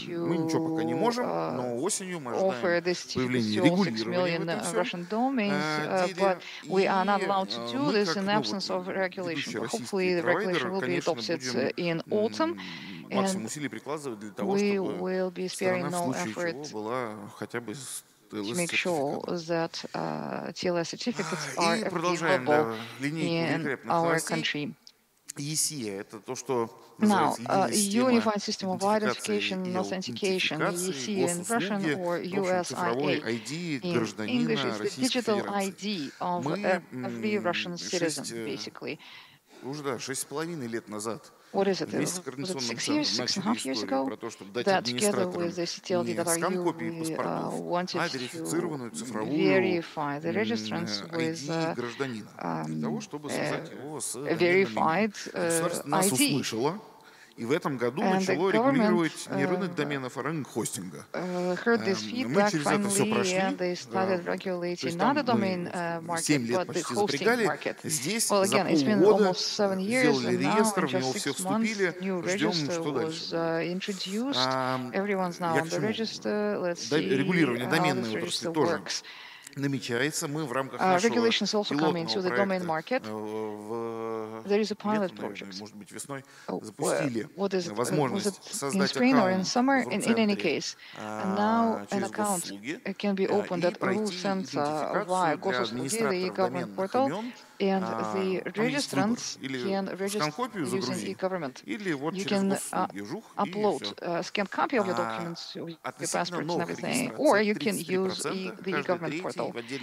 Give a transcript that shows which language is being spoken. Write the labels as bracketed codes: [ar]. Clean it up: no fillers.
[ru] мы ничего пока не можем, но осенью мы ожидаем появления регулирования в этом все. И мы, как новый российский провайдер, конечно, будем максимум усилий прикладывать для того, чтобы сторона в случае чего была хотя бы... [en] To make sure that TLS certificates are available in our country. [ru] ECI, это то, что называется [en] Unified System of Identification and Authentication, ECI in Russian or USIA. In English, it's the digital ID of every Russian citizen, basically. [ru] Уже 6,5 лет назад. [en] What is it? Was it 6 years, 6.5 years ago? That together with the CTLD that are you, we wanted to verify the registrants with verified ID. [ru] И в этом году начало регулировать не рынок доменов, а рынок хостинга. Мы через это все прошли. То есть там мы 7 лет почти запрягали. Здесь [en] well, again, [ru] за полгода сделали реестр, в него все вступили. Ждем, что дальше. Регулирование доменной отрасли тоже намечается. Мы в рамках нашего пилотного проекта [en] There is a pilot project. [ru] Может быть, весной запустили возможность создать аккаунт в Центре через госуслуги и пройти идентификацию для администратора доменных имен. [en] And the registrants can register using e-government. You can upload a scanned copy of your documents, your passports and everything, or you can use the e-government portal.